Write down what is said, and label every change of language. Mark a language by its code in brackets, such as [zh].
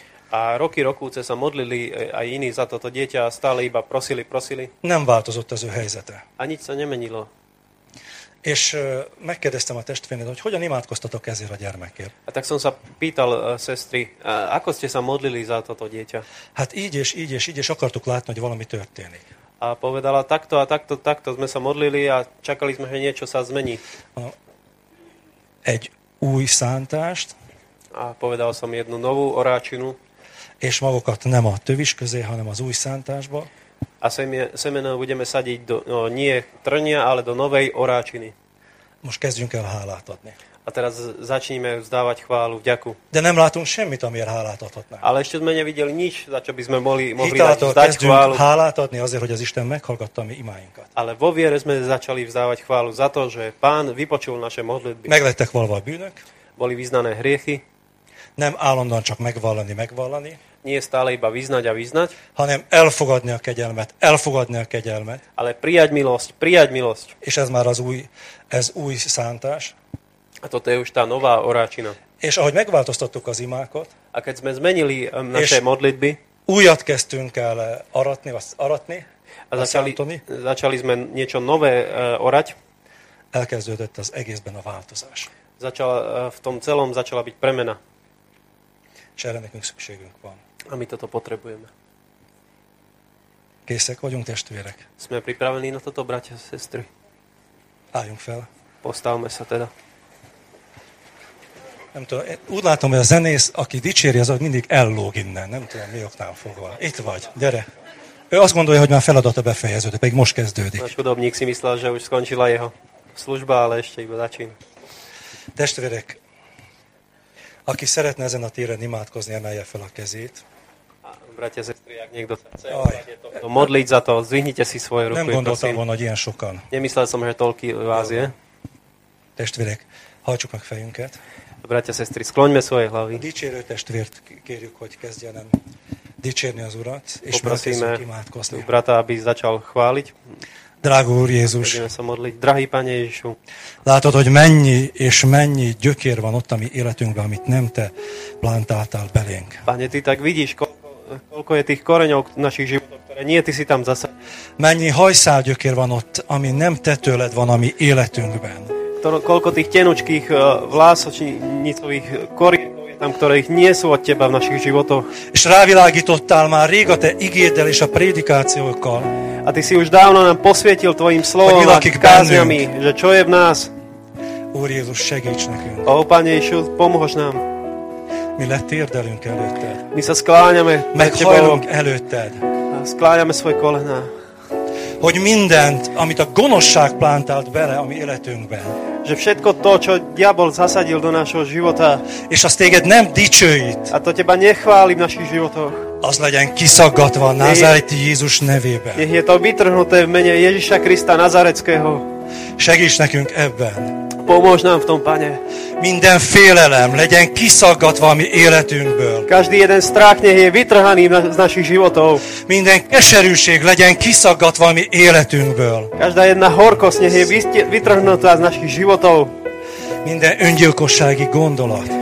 [sk] A roky sa modlili aj iní za toto dieťa a stále iba prosili. [hu] Nem változott az ő helyzete. [sk] A nič sa nemenilo. [hu] És megkérdeztem a testvéred, hogy hogyan imádkoztatok ezért a gyermekért. [sk] A tak som sa pýtal sestri, ako ste sa modlili za toto dieťa? [hu] Hát így, és akartuk látni, hogy valami történik. [sk] A povedala takto a takto, takto sme sa modlili a čakali sme, že niečo sa zmení. [hu] Egy új szántást. [sk] A povedal som jednu novú oráčinu. [hu] És magukat nem a tövis közé, hanem az új szántásba. [sk] A semeno budeme sadiť do, no, nie trnia, ale do novej oráčiny. [hu] Most kezdjünk el hálát adni. [sk] A teraz začníme vzdávať chválu, vďaku. [hu] De nem látunk semmit, amiért hálát adhatnánk. [sk] Ale ešte sme nevideli nič, za čo by sme mohli dať vzdať chválu. [hu] Kezdünk hálát adni azért, hogy az Isten meghallgatta mi imáinkat. [sk] Ale vo viere sme začali vzdávať chválu za to, že Pán vypočul naše modlitby. [hu] Meglettek valva a bűnök. [sk] Boli vyznané hriechy. [hu] Nem állandóan csak megvallani. [sk] Nie stále iba vyznať. [hu] Hanem elfogadni a kegyelmet. [sk] Ale prijať milosť. [hu] És ez már az új, ez új szántás. [sk] A toto je už tá nová oráčina. [hu] És ahogy megváltoztattuk az imákat. [sk] A keď sme zmenili naše modlitby. [hu] Újat kezdtünk el aratni. [sk] A začali sme niečo nové orať. [hu] Elkezdődött az egészben a változás. [sk] V tom celom začala byť premena. [hu] És erre nekünk szükségünk van. [sk] A my toto potrebujeme. [hu] Készek vagyunk, testvérek? [sk] Sme pripravení na toto, bratia a sestry? [hu] Álljunk fel. [sk] Postavme sa teda. [hu] Nem tudom, úgy látom, hogy a zenész, aki dicséri, az mindig ellóg innen. Nem tudom, mi oknál fogva. Itt vagy, gyere. Ő azt gondolja, hogy már feladata befejeződött, pedig most kezdődik. [sk] Nagy hudobník si myslel, že už skončila jeho služba, ale ešte iba začín. [hu] Testvérek, aki szeretne ezen a téren imádkozni, emelje fel a kezét. [sk] Bratia, sestri, ak niekto sa chce to modliť za to, zvihnite si svoje ruky. [hu] Nem gondoltam volna, hogy ilyen sokan. [sk] Nemyslel som, že toľký vás je. [hu] Testvérek, hajtsuk meg fejünket. [sk] Bratia, sestri, skloňme svoje hlavy. [hu] Dicsérő testvért kérjük, hogy kezdjenem dicsérni az Urat, és [sk] prosíme brata, aby začal chváliť. [hu] Drágó Úr Jézus, [sk] drahý Pane Ježišu, [hu] látod, hogy mennyi és mennyi gyökér van ott a mi életünkben, amit nem te plantáltál belénk. [sk] Pane, ty tak vidíš, koľko je tých koreňov našich životov, ktoré nie, ty si tam zasa. [hu] Mennyi hajszál gyökér van ott, ami nem te tőled van a mi életünkben. [sk] Koľko tých tenučkých vlásočnicových koreňov tam, ktoré ich nie sú od teba v našich životoch. [hu] És rávilágítottál már rég a te igéddel és a prédikációkkal. [sk] A ty si už dávno nám posvietil tvojim slovom a kázňami, že čo je v nás. [hu] Úr Jézus, segíts nekünk. [sk] O Pane Ježišu, pomôž nám. [hu] Mi letérdelünk előtted. [sk] My sa skláňame pred tebou. [hu] Meghajlunk előtted. [sk] Skláňame svoje kolená. [hu] Hogy mindent, amit a gonoszság plantált bele a mi életünkben. [sk] Že všetko to, čo diabol zasadil do nášho života. [hu] És azt téged nem dicsőít. [sk] A to teba nechváli v našich životoch. [hu] Az legyen kiszaggatva Názareti Jézus nevében. [sk] Je to vytrhnuté v mene Ježiša Krista Nazareckého. [hu] Segíts nekünk ebben. [sk] Pomôž nám v tom, Pane. [hu] Minden félelem legyen kiszaggatva a mi életünkből. [sk] Každý jeden strach nech je vytrhaný z našich životov. [hu] Minden keserűség legyen kiszaggatva a mi életünkből. [sk] Každá jedna horkosť nech je vytrhnutá z našich životov. [hu] Minden öngyilkossági gondolat.